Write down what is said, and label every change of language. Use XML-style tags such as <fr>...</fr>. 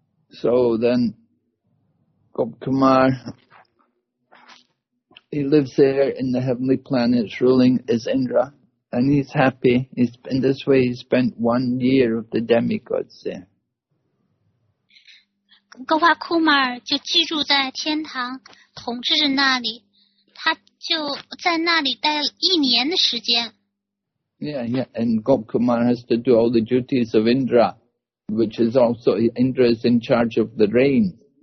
<en>So then Gop Kumar, he lives there in the heavenly planets ruling as Indra, and he's happy. He's, in this way, he spent 1 year of the demigods there.</en> <zh>高华库马尔就居住在天堂统治着那里，他就在那里待了一年的时间。</zh> <en>Yeah, yeah, and Gop Kumar has to do all the duties of Indra, which is also, Indra is in charge of the rain.</en>